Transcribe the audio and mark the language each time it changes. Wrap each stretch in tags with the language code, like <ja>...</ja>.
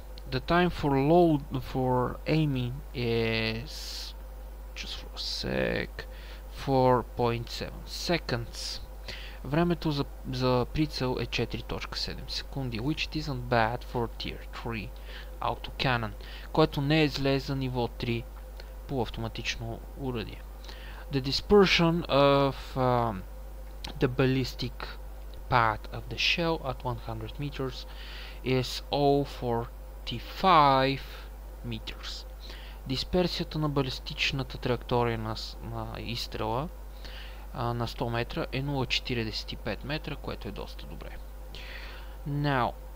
<en>the time for load for aiming is just for a sec 4.7 seconds.</en> <bg>Времето за прицел е 4.7 секунди,</bg> <en>which isn't bad for tier 3 autocannon,</en> <bg>което не е зле за ниво 3 полуавтоматично уръдие.</bg> <en>The dispersion of the ballistic pad of the shell at 100 meters is 0.45 meters.</en> <bg>Дисперсията на балистичната траектория на изстрела на 100 метра е 0.45 метра, което е доста добре. Now,</bg>